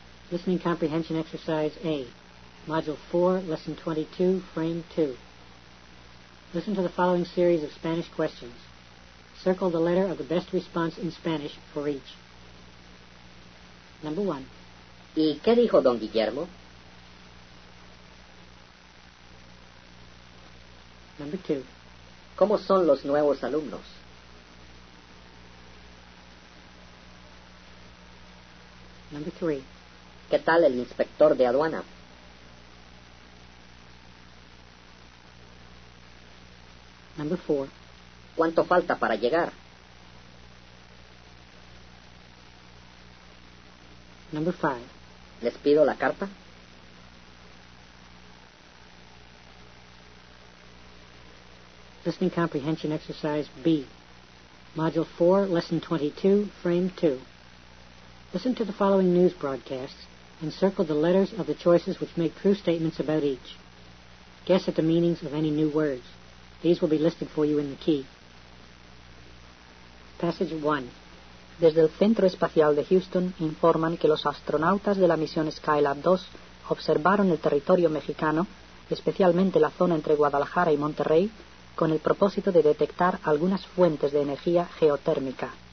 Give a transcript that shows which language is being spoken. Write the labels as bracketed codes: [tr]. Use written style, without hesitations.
[en] Listening Comprehension Exercise A, Module 4, Lesson 22, Frame 2. Listen to the following series of Spanish questions. circle the letter of the best response in Spanish for each. Number one. [es] ¿Y qué dijo don Guillermo? [en] Number two. [es] ¿Cómo son los nuevos alumnos? [en] Number three. [es] ¿Qué tal el inspector de aduana? [en] Number four. [es] ¿Cuánto falta para llegar? [en] Number five. [es] ¿Les pido la carta? [en] Listening Comprehension Exercise B. Module 4, Lesson 22, Frame 2. Listen to the following news broadcasts and circle the letters of the choices which make true statements about each. Guess at the meanings of any new words. These will be listed for you in the key. Passage 1. [es] Desde el Centro Espacial de Houston informan que los astronautas de la misión Skylab 2 observaron el territorio mexicano, especialmente la zona entre Guadalajara y Monterrey, con el propósito de detectar algunas fuentes de energía geotérmica.